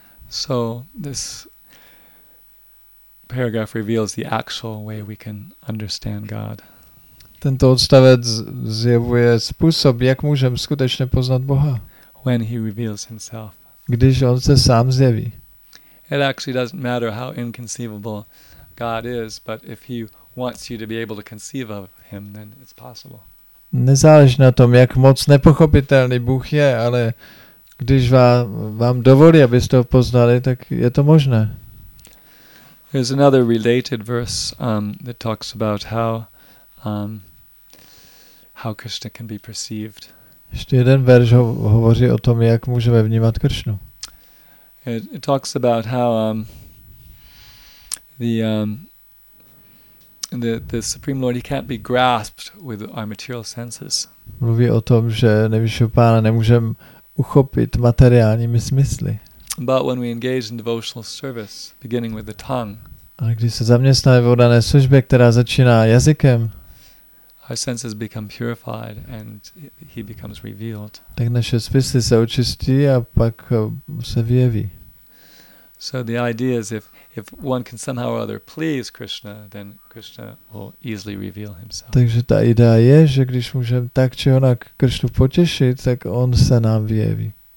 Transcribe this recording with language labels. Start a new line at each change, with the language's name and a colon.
English: So this paragraph reveals the actual way we can understand God.
Czech: Tento odstavec zjevuje způsob, jak můžeme skutečně poznat Boha.
English: When he reveals himself.
Czech: Když on se sám zjeví.
English: It actually doesn't matter how inconceivable God is, but if he wants you to be able to conceive of him, then it's possible.
Czech: Nezáleží na tom, jak moc nepochopitelný Bůh je, ale když vám dovolí, abyste ho poznali, tak je to možné.
English: There's another related verse that talks about how Krishna can be perceived.
Czech: Ještě jeden verš hovoří o tom, jak můžeme vnímat Kršnu.
English: It talks about how the Supreme Lord, he can't be grasped with our material senses.
Czech: Mluví o tom, že nejvyššího pána nemůžeme uchopit materiálními smysly.
English: But when we engage in devotional service, beginning with the tongue,
Czech: ale když se zaměstnáme v dané službě, která začíná jazykem,
English: our senses become purified and he becomes revealed.
Czech: Tak naše smysly se očistí a pak se vyjeví.
English: So the idea is if one can somehow or other please Krishna, then Krishna will easily reveal himself.
Czech: Takže ta idea je, že když můžeme tak či onak Krishnu potěšit, tak on se nám vyjeví.